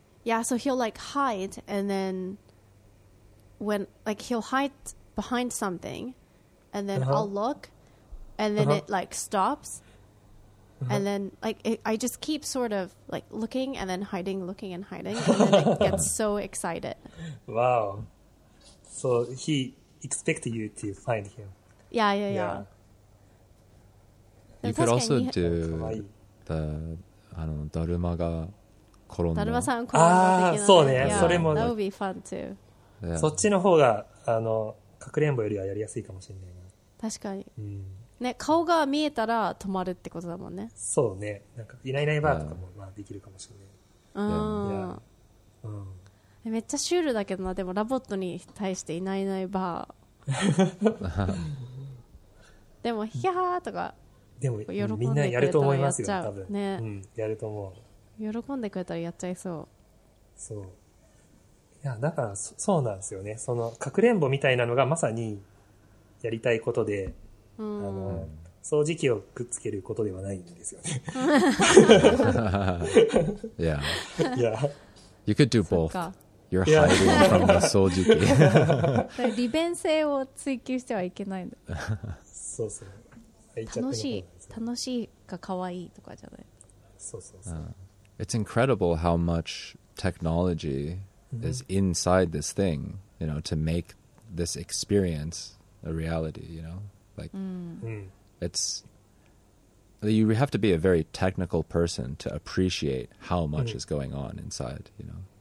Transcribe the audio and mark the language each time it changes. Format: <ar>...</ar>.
<en>Yeah, so he'll like hide, and then when like he'll hide behind something, and then I'll look, and then it like stops, and then like I just keep sort of like looking and then hiding, looking and hiding, and then it gets so excited. Wow. So he expect you to find him. Yeah. You could also do the, I don't know, Daruma ga koronda.</en> <ja>Daruma san koronda. そうね。それも。</ja> <en>That would be fun too.</en> <ja>そっちの方が、かくれんぼよりはやりやすいかもしれないな。確かに。ね、顔が見えたら止まるってことだもんね。そうね。なんか、いないいないバーとかも、まあ、できるかもしれない。めっちゃシュールだけどな、でもラボットに対していないいないばあ。でも、ヒャーとか、でも、みんなやると思いますよ、多分。ね、やると思う。喜んでくれたらやっちゃいそう。そう。いや、だから、そうなんですよね。その、かくれんぼみたいなのがまさにやりたいことで、掃除機をくっつけることではないんですよね。</ja> <en>Yeah. Yeah. You could do both. You're hiding from the 掃除機。</en> <ja>利便性を追求してはいけないんだ。そうそう。楽しいか可愛いとかじゃない。そうそうそう。</ja> <en>It's incredible how much technology is inside this thing, you know, to make this experience a reality, you know? Like, it's, you have to be a very technical person to appreciate how much is going on inside, you know?</en>